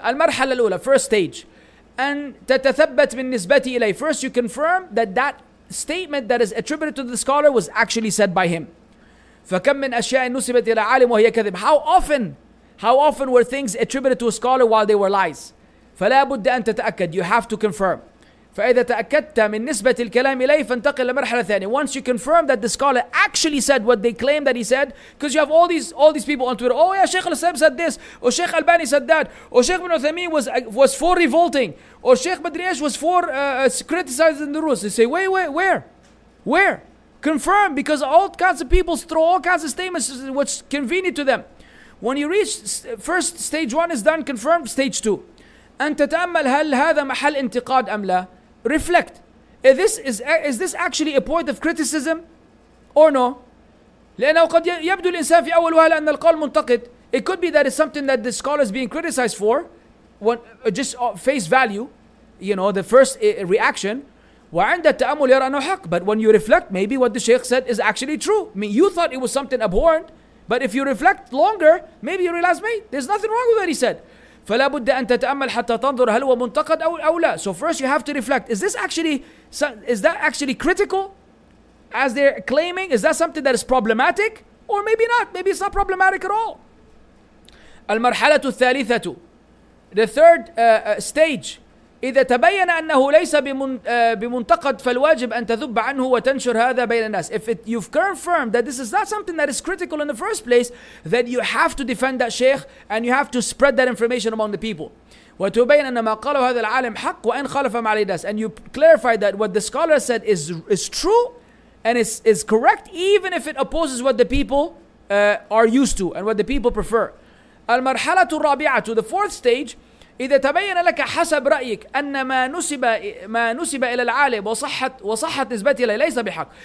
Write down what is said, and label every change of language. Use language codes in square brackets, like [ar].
[ar] Al-marhala al-ula, [en] first stage. [ar] And tatathabbat min nisbati ilay. [en] First, you confirm that statement that is attributed to the scholar was actually said by him. [ar] فَكَمْ مِنْ أَشْيَاءٍ نُسِبَتْ إِلَىٰ عَالِمٍ وَهِيَ كَذِبٍ. [en] How often were things attributed to a scholar while they were lies? [ar] فَلَا بُدَّ أَن تَتَأَكَّدْ. [en] You have to confirm. [ar] فإذا تأكدت من نسبة الكلام إليه فانتقل لمرحلة ثانية. [en] Once you confirm that the scholar actually said what they claim that he said, because you have all these people on Twitter. Oh yeah, Sheikh Al-Sab said this. Or Sheikh Albani said that. Or Sheikh Ibn Uthaymeen was for revolting. Or Sheikh Badriash was for criticizing the rules. They say, wait, where? Where? Confirm, because all kinds of people throw all kinds of statements what's convenient to them. When you reach first stage one is done, confirm stage two. [ar] أن تتأمل هل هذا محل انتقاد أم لا؟ [en] Reflect. Is this actually a point of criticism or no? [ar] لأنه قد يبدو الإنسان في أول وهلة أن القول منتقد. [en] It could be that it's something that the scholar is being criticized for, just face value, you know, the first reaction. [ar] وعند التأمل يرى أنه حق. [en] But when you reflect, maybe what the Sheikh said is actually true. I mean, you thought it was something abhorrent, but if you reflect longer, maybe you realize, mate, there's nothing wrong with what he said. [ar] فلا بد أن تتأمل حتى تنظر هل هو منتقد أو لا. [en] So first you have to reflect. Is that actually critical? As they're claiming, is that something that is problematic? Or maybe not. Maybe it's not problematic at all. [ar] المرحلة الثالثة. [en] The third stage. [ar] إذا تبين أنه ليس بمنتقد فالواجب أن تذب عنه وتنشر هذا بين الناس. [en] If you've confirmed that this is not something that is critical in the first place, then you have to defend that sheikh and you have to spread that information among the people. [ar] وتبين أن ما قاله هذا العالم حق وإن خالف مع الناس. [en] And you clarify that what the scholar said is true and is correct even if it opposes what the people are used to and what the people prefer. [ar] المرحلة الرابعة, [en] the fourth stage. [ar] إذا تبين لك حسب رأيك أن ما نسب إلى العالم وصحت نسبته إليه ليس بحق.